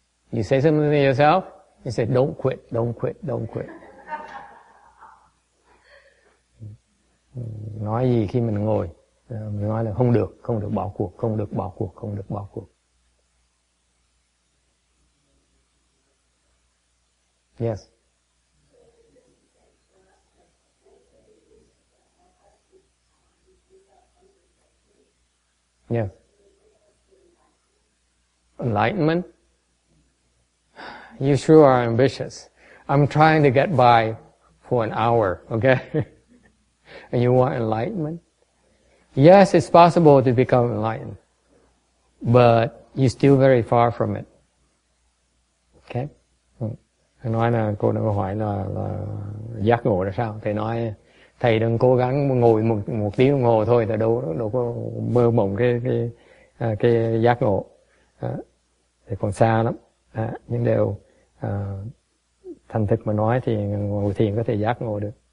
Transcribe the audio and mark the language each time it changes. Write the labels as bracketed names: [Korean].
[English] You say something to yourself, you say, don't quit, don't quit, don't quit. [Vietnamese] Nói gì khi mình ngồi, mình nói là không được, không được bỏ cuộc, không được bỏ cuộc, không được bỏ cuộc. [English] Yes. Yes. Enlightenment. You sure are ambitious. I'm trying to get by for an hour, okay? And you want enlightenment? Yes, it's possible to become enlightened, but you're still very far from it. Okay? [Vietnamese] Nói là cô đang hỏi là giác ngộ là sao? Thầy nói thầy đừng cố gắng ngồi một tiếng đồng hồ thôi, thầy đâu có mơ mộng cái giác ngộ. Thầy còn xa lắm. Nhưng đều thành thực mà nói thì ngồi thiền có thể giác ngộ được.